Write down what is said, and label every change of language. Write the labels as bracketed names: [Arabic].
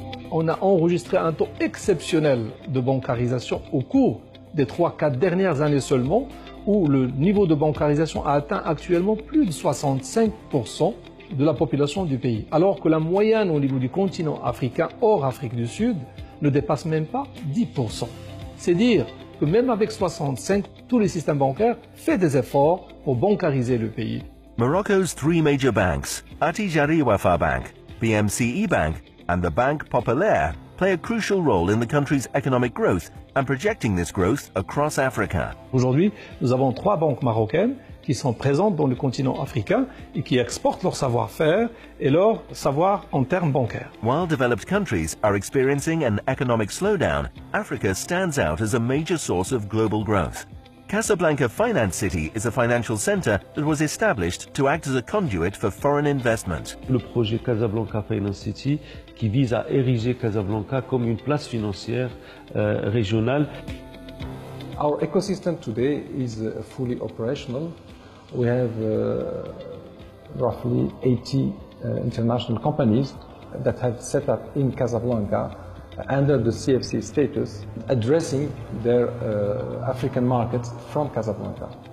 [French] On a enregistré un taux exceptionnel de bancarisation au cours des 3-4 dernières années seulement, où le niveau de bancarisation a atteint actuellement plus de 65% de la population du pays. Alors que la moyenne au niveau du continent africain, hors Afrique du Sud, ne dépasse même pas 10%. C'est dire que même avec 65, tous les systèmes bancaires font des efforts pour bancariser le pays. [English] Morocco's three major banks, Attijari Wafa Bank, BMCE Bank, and the Banque Populaire, play a crucial role in the country's economic growth and projecting this growth across Africa. [French] Aujourd'hui, nous avons trois banques marocaines qui sont présentes dans le continent africain et qui exportent leur savoir-faire et leur savoir en termes bancaires. [English] While developed countries are experiencing an economic slowdown, Africa stands out as a major source of global growth. Casablanca Finance City is a financial center that was established to act as a conduit for foreign investment. [French] Le projet Casablanca Finance City qui vise à ériger Casablanca comme une place financière régionale. [English] Our ecosystem today is fully operational. We have roughly 80 international companies that have set up in Casablanca under the CFC status, addressing their African markets from Casablanca.